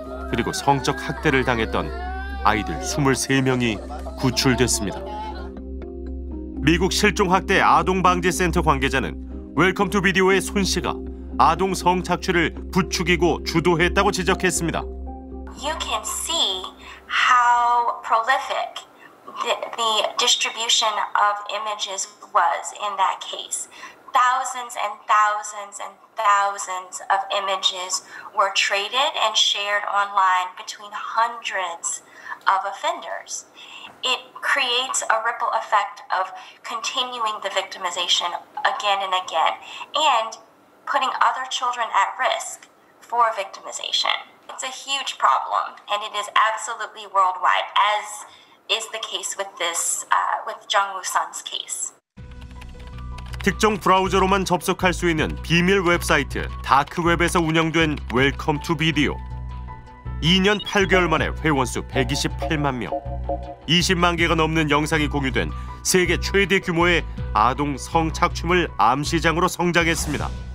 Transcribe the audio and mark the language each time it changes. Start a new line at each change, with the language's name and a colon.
Korean: 그리고 성적 학대를 당했던 아이들 23명이 구출됐습니다. 미국 실종학대 아동방지센터 관계자는 웰컴 투 비디오의 손 씨가 아동 성착취를 부추기고 주도했다고 지적했습니다.
English: You can see how prolific the distribution of images was in that case. Thousands and thousands and thousands of images were traded and shared online between hundreds of offenders. It creates a ripple effect of continuing the victimization again and again and putting other children at risk for victimization. It's a huge problem, and it is absolutely worldwide, as is the case with this, with Jung Woo-sun's case.
Korean: 특정 브라우저로만 접속할 수 있는 비밀 웹사이트 다크 웹에서 운영된 웰컴 투 비디오. 2년 8개월 만에 회원 수 128만 명. 20만 개가 넘는 영상이 공유된 세계 최대 규모의 아동 성착취물 암시장으로 성장했습니다.